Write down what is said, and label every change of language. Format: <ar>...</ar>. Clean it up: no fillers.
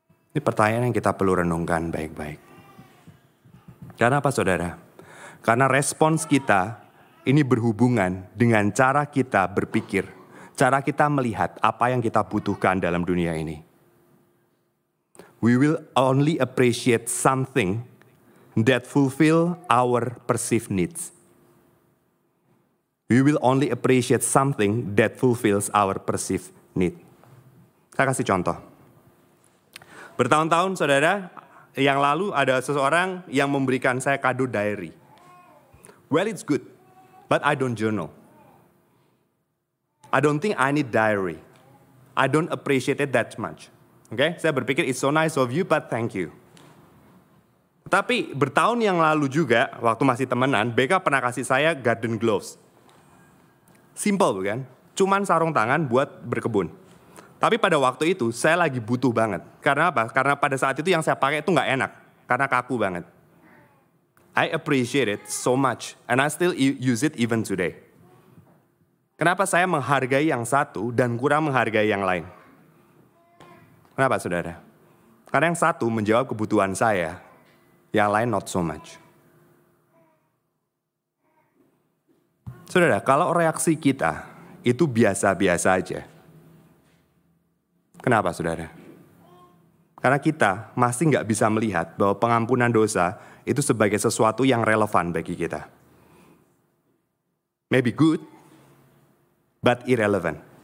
<id>Ini pertanyaan yang kita perlu renungkan baik-baik. Karena apa, saudara? Karena respons kita ini berhubungan dengan cara kita berpikir, cara kita melihat apa yang kita butuhkan dalam dunia ini.</id> <en>We will only appreciate something that fulfill our perceived needs. We will only appreciate something that fulfills our perceived need.</en> <id>Saya kasih contoh. Bertahun-tahun, saudara, yang lalu ada seseorang yang memberikan saya kado diary.</id> <en>Well, it's good, but I don't journal. I don't think I need diary. I don't appreciate it that much. Okay?</en> <id>Saya berpikir,</id> <en>it's so nice of you, but thank you.</en> <id>Tapi bertahun yang lalu juga, waktu masih temenan, BK pernah kasih saya garden gloves. Simple, bukan? Cuman sarung tangan buat berkebun. Tapi pada waktu itu, saya lagi butuh banget. Karena apa? Karena pada saat itu yang saya pakai itu gak enak. Karena kaku banget.</id> <en>I appreciate it so much. And I still use it even today.</en> <id>Kenapa saya menghargai yang satu dan kurang menghargai yang lain? Kenapa, saudara? Karena yang satu menjawab kebutuhan saya, yang lain</id> <en>not so much.</en> <id>Saudara, kalau reaksi kita itu biasa-biasa aja. Kenapa, saudara? Karena kita masih gak bisa melihat bahwa pengampunan dosa itu sebagai sesuatu yang relevan bagi kita.</id> <en>Maybe good, but irrelevant.</en>